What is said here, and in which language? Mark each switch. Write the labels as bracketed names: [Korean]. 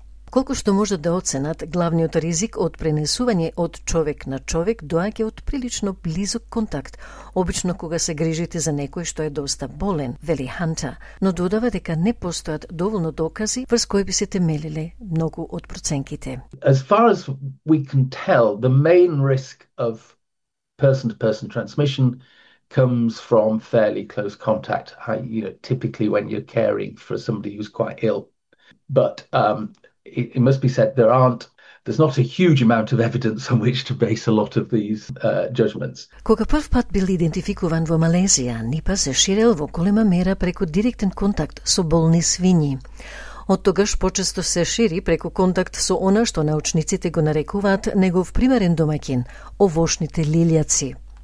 [Macedonian] Колку што може да оценат, главниот ризик од пренесување од човек на човек доаѓа од прилично близок контакт, обично кога се грижите за некој што е доста болен, вели Ханта, но додава дека не постојат доволно докази врз кои би се темелиле многу од проценките. [English] As far as we can tell, the main risk of person-to-person transmission comes from fairly close contact, you know, typically when you're caring for somebody who's quite ill. But it must be said there's not a huge amount of evidence on which to base a lot of these judgments. [Macedonian] Кога прв пат бил идентификуван во Малезија, НИПА се ширел во голема мера преку директен контакт со болни свиња. Од тогаш почесто се шири преку контакт со она што научниците го нарекуваат негов примарен домакин, овошните лилјаци.